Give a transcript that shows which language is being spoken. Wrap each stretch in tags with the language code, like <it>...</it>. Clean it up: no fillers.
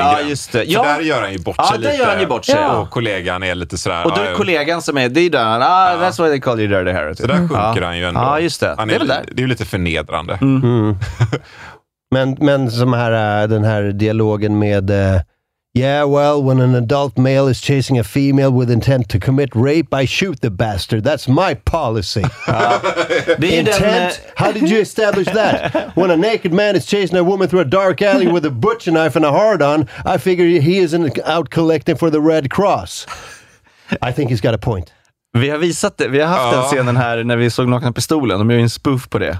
<sv>Ja, just det. Ja. Där gör han ju bort sig lite. Ja, där gör han ju bort sig. Och kollegan är lite sådär... Och då är kollegan som är... Det är ju där.</sv> <en>That's why they call you Dirty Harry.</en> <sv>Så där sjunker han ju ändå. Ja, just det. Han är ju lite förnedrande. Mm. men som här, den här dialogen med...</sv> <en>Yeah, well, when an adult male is chasing a female with intent to commit rape, I shoot the bastard. That's my policy. intent? How did you establish that? When a naked man is chasing a woman through a dark alley with a butcher knife and a hard-on, I figure he isn't out collecting for the Red Cross. I think he's got a point.</en> <sv>Vi har visat det. Vi har haft den scenen här när vi såg nakna pistolen. De gör ju en spoof på det.</sv>